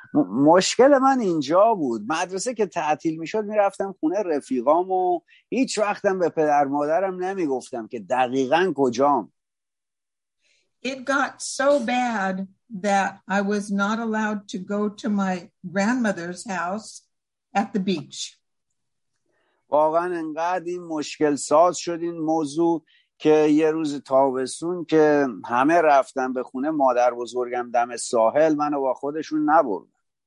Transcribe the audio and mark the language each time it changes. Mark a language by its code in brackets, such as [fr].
[fa] مشکل من اینجا بود، مدرسه که تعطیل میشد میرفتم خونه رفیقام و هیچ وقتم به پدر مادرم نمیگفتم که دقیقاً کجام. [en] It got so bad that I was not allowed to go to my grandmother's house at the beach. [fa] واقعاً انقدر این مشکل ساز شد این موضوع که یه روز تابستون که همه رفتن به خونه مادر بزرگم دم ساحل، منو با خودشون نبرد.